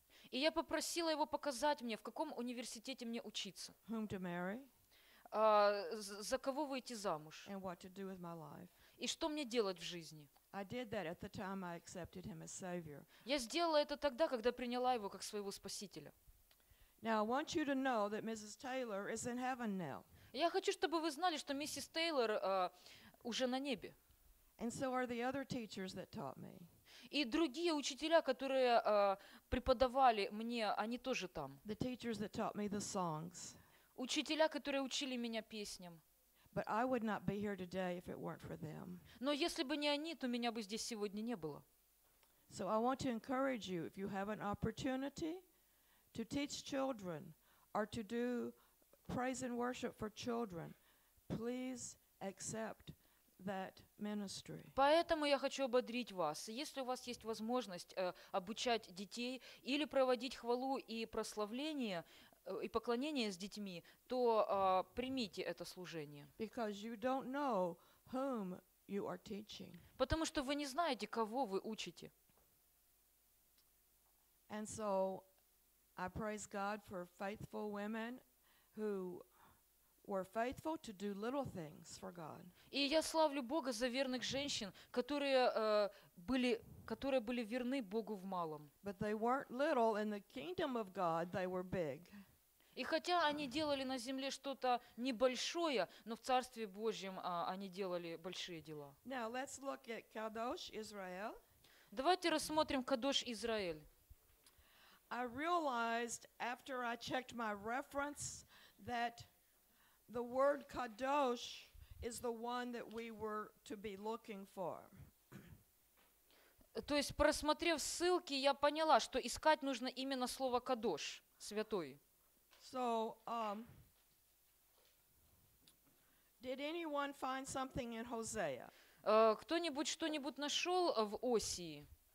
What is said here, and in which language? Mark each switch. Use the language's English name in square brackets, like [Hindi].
[Russian] И я попросила его показать мне, в каком университете мне учиться. [English] Whom to marry. [Russian] За кого выйти замуж. [English] And what to do with my life. [Russian] И что мне делать в жизни. [English] I did that at the time I accepted him as Savior. [Russian] Я сделала это тогда, когда приняла его как своего спасителя. [English] Now I want you to know that Mrs. Taylor is in heaven now. [Russian] Я хочу, чтобы вы знали, что миссис Тейлор уже на небе. [English] And so are the other teachers that taught me. [Russian] И другие учителя, которые преподавали мне, они тоже там. [English] The teachers that taught me the songs. [Russian] Учителя, которые учили меня песням. [English] But I would not be here today if it weren't for them. [Russian] Но если бы не они, то меня бы здесь сегодня не было. [English] So I want to encourage you, if you have an opportunity to teach children or to do praise and worship for children, please accept that ministry. [Russian] Поэтому я хочу ободрить вас. Если у вас есть возможность обучать детей или проводить хвалу и прославление и поклонение с детьми, то примите это служение. [English] Because you don't know whom you are teaching. [Russian] Потому что вы не знаете, кого вы учите. [English] And so I praise God for faithful women who were faithful to do little things for God. [Russian] И я славлю Бога за верных женщин, которые были верны Богу в малом. [English] But they weren't little in the kingdom of God, they were big. [Russian] И хотя они делали на земле что-то небольшое, но в Царстве Божьем они делали большие дела. [English] Now let's look at Kadosh, Israel. [Russian] Давайте рассмотрим Кадош, Израиль. [English] I realized after I checked my reference that the word Kadosh is the one that we were to be looking for. [Russian] То есть, просмотрев ссылки, я поняла, что искать нужно именно слово Кадош, святой. [English] So, did anyone find something in Hosea? [Russian] Кто-нибудь что-нибудь нашел в Осии?